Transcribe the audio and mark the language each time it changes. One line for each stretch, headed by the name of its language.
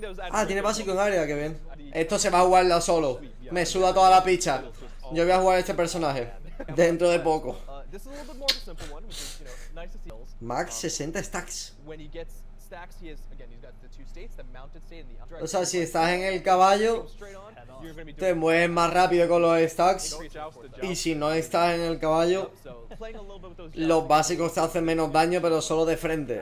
Spanish: Ah, tiene básico en área, que bien. Esto se va a jugar ya solo. Me suda toda la picha. Yo voy a jugar a este personaje dentro de poco.
English: This is a little bit more of a simple one, which is, you know, nice to see. Max 60 stacks. When he gets stacks, he has, again, he's got the two states, the mounted state and the updraft.
Spanish: O sea, si estás en el caballo, te mueves más rápido con los stacks. Y si no estás en el caballo, los básicos te hacen menos daño, pero solo de frente.